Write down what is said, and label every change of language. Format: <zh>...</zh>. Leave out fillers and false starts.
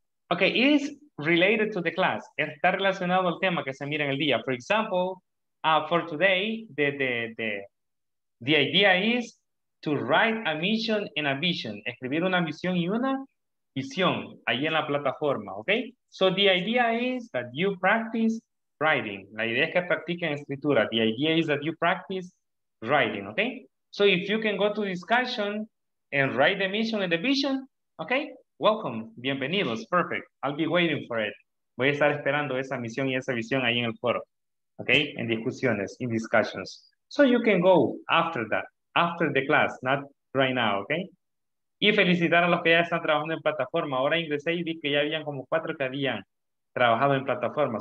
<en>Ok, is related to the class.</en> <es>Está relacionado al tema que se mira en el día.</es> <en>For example, for today, the idea is to write a mission and a vision.</en> <es>Escribir una misión y una visión ahí en la plataforma, okay?</es> <en>So the idea is that you practice writing.</en> <es>La idea es que practiquen escritura.</es> <en>The idea is that you practice writing, okay? So if you can go to discussion and write the mission and the vision, okay? Welcome,</en> <es>bienvenidos,</es> <en>perfect. I'll be waiting for it.</en> <es>Voy a estar esperando esa misión y esa visión ahí en el foro, okay? En discusiones,</es> <en>in discussions. So you can go after that, after the class, not right now, okay?</en> <es>Y felicitar a los que ya están trabajando en plataforma. Ahora ingresé y vi que ya habían como 4 que habían trabajado en plataforma.</es>